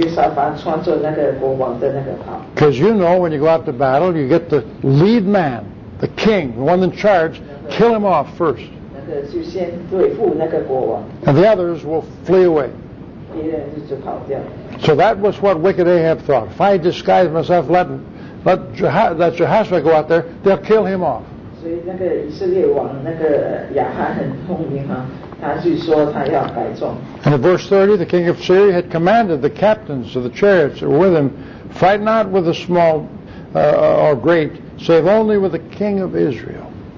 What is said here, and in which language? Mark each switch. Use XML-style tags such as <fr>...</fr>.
<zh>他就欺骗他，他要那个约沙法穿着那个国王的那个袍。</zh> <en>Because you know when you go out to battle, you get the lead man, the king, the one in charge, kill him off first.</en> <zh>那个就先对付那个国王。</zh> <en>And the others will flee away.</en> <zh>别人就跑掉。</zh> <en>So that was what wicked Ahab thought. If I disguise myself, let Jehoshaphat go out there, they'll kill him off.</en> <zh>所以那个以色列王那个亚哈很聪明啊。</zh> <en>And in verse 30, the king of Syria had commanded the captains of the chariots that were with him, fight not with the small or great, save only with the king of Israel.</en>